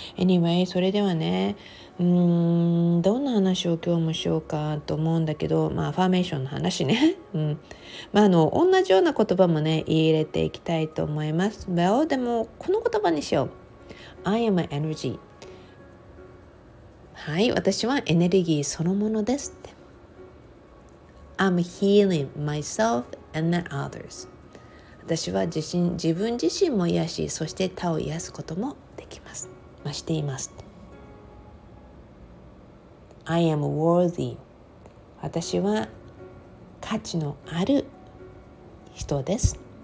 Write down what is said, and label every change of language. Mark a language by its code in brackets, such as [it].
[ja] Anyway、 それではね、どんな話を今日もしようかと思うんだけど、アファーメーションの話ね、同じような言葉もね言い入れていきたいと思います。 Well、 でもこの言葉にしよう。 [en] I am energy。 [ja] はい、私はエネルギーそのものですって。 [en] I'm healing myself and the others. [ja] 私は自分自身も癒し、そして他を癒すこともできます。しています。 [en] I am worthy. [ja] 私は価値のある人です。